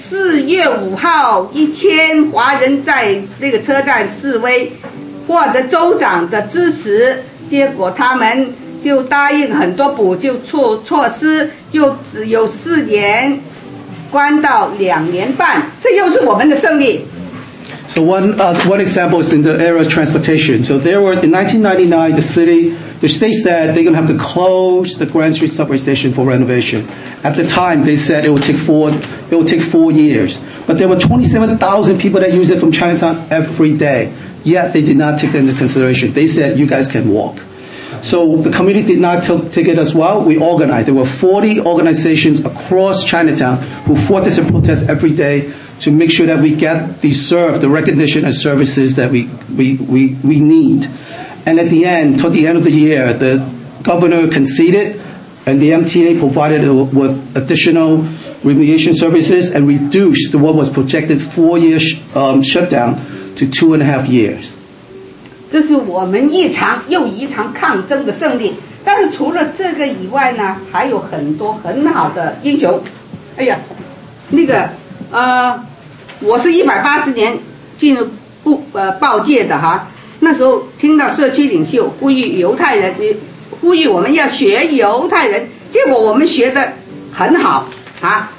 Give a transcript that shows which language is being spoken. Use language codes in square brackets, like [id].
[zh] 4月5号，1000华人在那个车站示威，获得州长的支持，结果他们就答应很多补救措施，又只有4年关到2年半，这又是我们的胜利。 [en] So one example is in the area of transportation. So there were, in 1999, the state said they're going to have to close the Grand Street subway station for renovation. At the time, they said it would take four years. But there were 27,000 people that use it from Chinatown every day. Yet they did not take that into consideration. They said, you guys can walk. So the community did not take it as well. We organized. There were 40 organizations across Chinatown who fought this in protest every day, to make sure that we get the recognition and services that we need. And at the end, toward the end of the year, the governor conceded and the MTA provided with additional remediation services and reduced what was projected 4 year shutdown to 2.5 years. [zh] 这是我们一场又一场抗争的胜利。但是除了这个以外呢，还有很多很好的英雄。哎呀，那个我是180年进入报界的哈，那时候听到社区领袖呼吁犹太人，呼吁我们要学犹太人，结果我们学得很好啊。